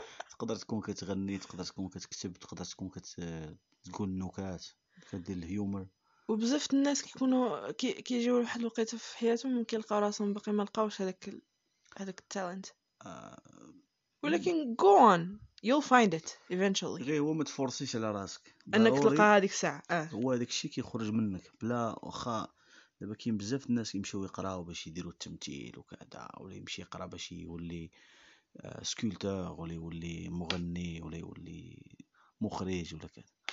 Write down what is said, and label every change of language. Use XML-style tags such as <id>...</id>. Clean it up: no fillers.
<ar>تقدر تكون كتغني، تقدر تكون كتكتب، تقدر تكون كتقول نكات، كدير الهيومر. وبزاف الناس كيكونوا كيجيو لواحد الوقيته في حياتهم كيلقاو راسهم باقي ما لقاوش هذاك التالنت.</ar> <en>ولكن go on، you'll find it eventually.</en> <ar>غير هو ما تفورسيش على راسك انك تلقى هذيك الساعه. هو هذاك الشيء كيخرج منك بلا واخا. دابا كاين بزاف الناس يمشيو يقراو باش يديروا التمثيل وكذا، ولا يمشي يقرا باش يولي سكولتور، ولا يولي مغني، ولا يولي مخرج، ولا كذا.</ar>